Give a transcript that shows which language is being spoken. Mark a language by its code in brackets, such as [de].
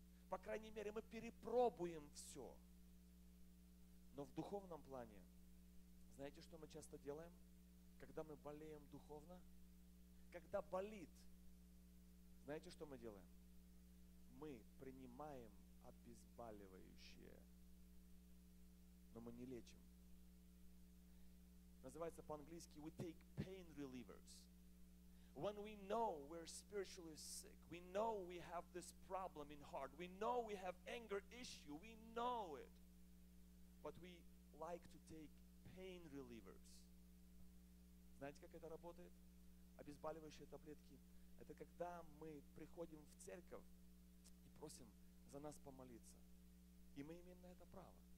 [ru] По крайней мере, мы перепробуем все. Но в духовном плане, знаете, что мы часто делаем? Когда мы болеем духовно, когда болит, знаете, что мы делаем? Мы принимаем обезболивающее, но мы не лечим. Называется по-английски [en] we take pain relievers. When we know we're spiritually sick, we know we have this problem in heart, we know we have anger issue, we know it. But we like to take pain relievers. [ru] Знаете, как это работает? Обезболивающие таблетки. Это когда мы приходим в церковь и просим. просим за нас помолиться. И мы имеем на это право.